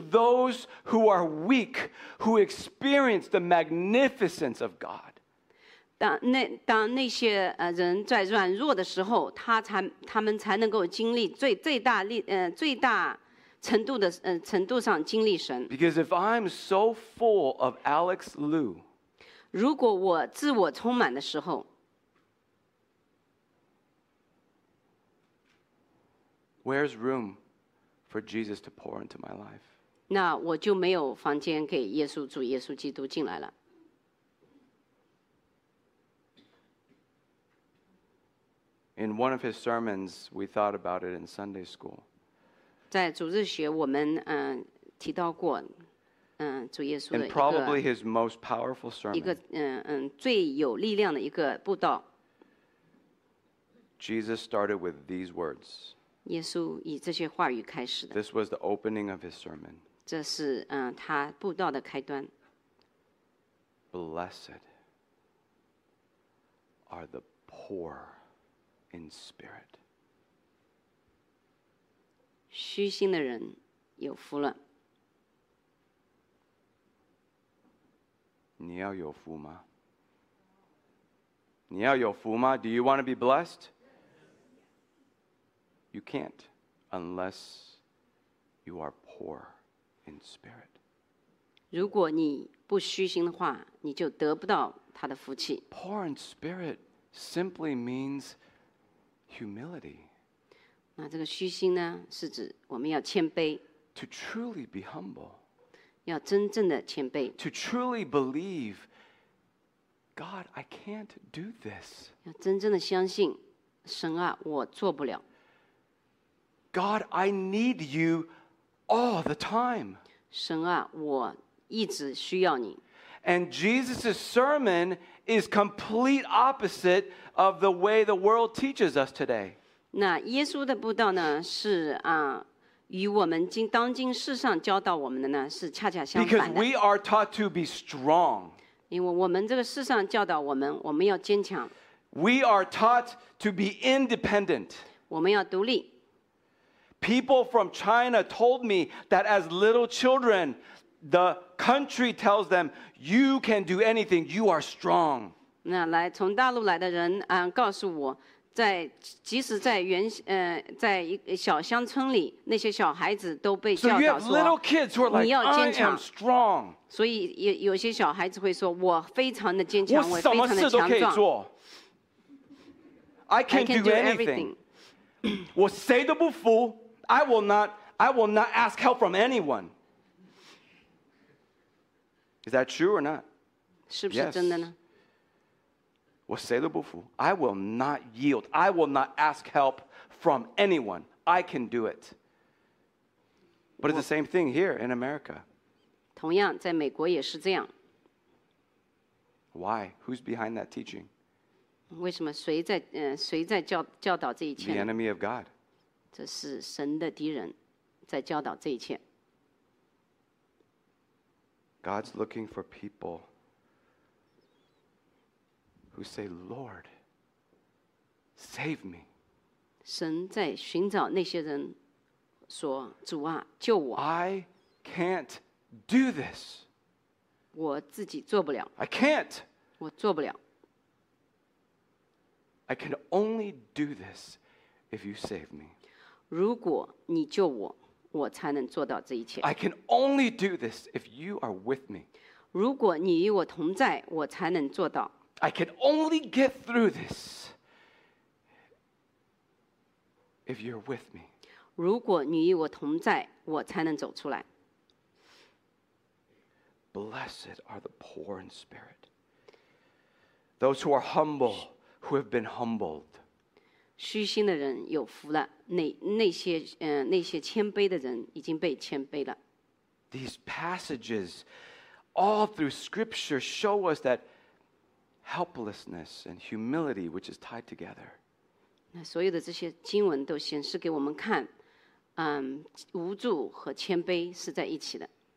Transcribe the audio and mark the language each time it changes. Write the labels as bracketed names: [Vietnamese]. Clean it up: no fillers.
[English] It is those who are weak who experience the magnificence of God. [Chinese] 当那些人在软弱的时候，他们才能够经历最大程度的程度上经历神。 [English] Because if I'm so full of Alex Liu, [Chinese] 如果我自我充满的时候 [English] ，Where's room for Jesus to pour into my life? [Chinese] 那我就没有房间给耶稣主耶稣基督进来了。 [English] In one of his sermons, we thought about it in Sunday school. [Chinese] 在主日学，我们提到过，主耶稣的一个。 [English] And probably his most powerful sermon. [Chinese] 一个最有力量的一个布道。 [English] Jesus started with these words. [Chinese] 耶稣以这些话语开始的。 [English] This was the opening of his sermon. [Chinese] 这是他布道的开端。 [English] Blessed are the poor. In spirit. [Chinese] 虚心的人有福了。你要有福吗？你要有福吗？ [English] Do you want to be blessed? You can't unless you are poor in spirit. [Chinese] 如果你不虚心的话，你就得不到他的福气。 [English] Poor in spirit simply means. Humility. [Chinese] 那这个虚心呢，是指我们要谦卑。 [English] To truly be humble. [Chinese] 要真正的谦卑。 [English] To truly believe, God, I can't do this. [Chinese] 要真正的相信，神啊，我做不了。 [English] God, I need you all the time. [Chinese] 神啊，我一直需要你。 [English] And Jesus' sermon is complete opposite of the way the world teaches us today. [Chinese] 那耶稣的布道呢是啊与我们今当今世上教导我们的呢是恰恰相反的。 [English] Because we are taught to be strong. [Chinese] 因为我们这个世上教导我们，我们要坚强。 [English] We are taught to be independent. [Chinese] 我们要独立。 [English] People from China told me that as little children, the country tells them, "You can do anything. You are strong." [Chinese] 那来从大陆来的人啊，告诉我。在即使在原在小乡村里，那些小孩子都被教导说， [English] so you have little kids who are like, [Chinese] 你要坚强。 [English] I am strong. [Chinese] 所以有些小孩子会说，我非常的坚强，我非常的强壮。我什么事都可以做。 [English] I can do anything. [Chinese] 我谁都不服。 [English] I will not ask help from anyone. Is that true or not? [Chinese] 是不是真的呢？我谁都不服 [English] I will not yield. I will not ask help from anyone. I can do it. But it's the same thing here in America. [Chinese] 同样在美国也是这样。 [English] Why? Who's behind that teaching? [Chinese] 为什么谁在 教导这一切？ [English] The enemy of God. [Chinese] 这是神的敌人在教导这一切。 [English] God's looking for people. We say, Lord, save me. [Chinese] 神在寻找那些人，说主啊，救我。 [English] I can't do this. [Chinese] 我自己做不了。 [English] I can't. [Chinese] 我做不了。 [English] I can only do this if you save me. [Chinese] 如果你救我，我才能做到这一切。 [English] I can only do this if you are with me. [Chinese] 如果你与我同在，我才能做到。 [English] I can only get through this if you're with me. [Chinese] 如果你与我同在，我才能走出来。 [English] Blessed are the poor in spirit. Those who are humble, who have been humbled. [Chinese] 虚心的人有福了，那些谦卑的人已经被谦卑了。 [English] These passages all through Scripture show us that helplessness and humility, which is tied together. [Chinese] 那所有的这些经文都显示给我们看，无助和谦卑是在一起的。